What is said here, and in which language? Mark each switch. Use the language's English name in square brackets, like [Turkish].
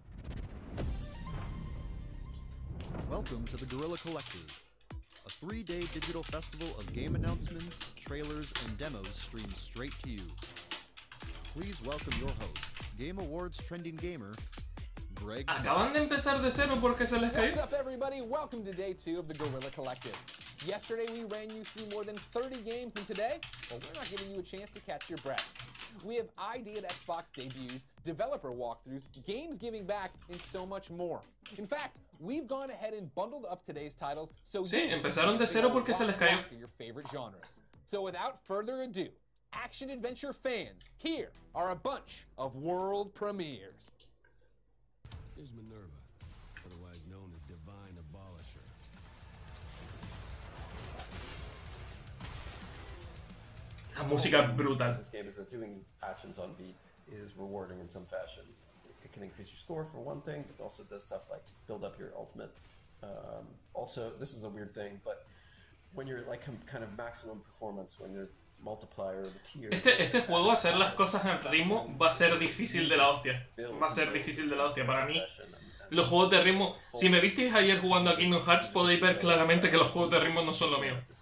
[English] Peace. Welcome to the Guerrilla Collective, a three-day digital festival of game announcements, trailers, and demos streamed straight to you. Please welcome your host, Game Awards trending gamer, Greg. [Spanish] Acaban de empezar de cero porque se les cayó. [English] What's up, everybody? Welcome to day two of the Guerrilla Collective. Yesterday, we ran you through more than 30 games, and today, well, we're not giving you a chance to catch your breath. We have ID at Xbox debuts, developer walkthroughs, games giving back, and so much more. In fact, we've gone ahead and bundled up today's titles so [Spanish] sí, you empezaron de cero porque se les cayó. [English] Your favorite genres. So without further ado, action adventure fans, here are a bunch of world premieres. Here's Minerva, otherwise known as Divine Abolisher. [Spanish] La música es brutal. [English] This game is that doing actions on beat is rewarding in some fashion. It can increase your score for one thing, but also does stuff like build up your ultimate. Also, this is a weird thing, but when you're like kind of maximum performance, when you're multiplier of a tier. [Spanish] Este juego hacer las cosas en ritmo va a ser difícil de la hostia. Va a ser difícil de la hostia para mí. Los juegos de ritmo, si me visteis ayer jugando a Kingdom Hearts, podéis ver claramente que los juegos de ritmo no son lo mío.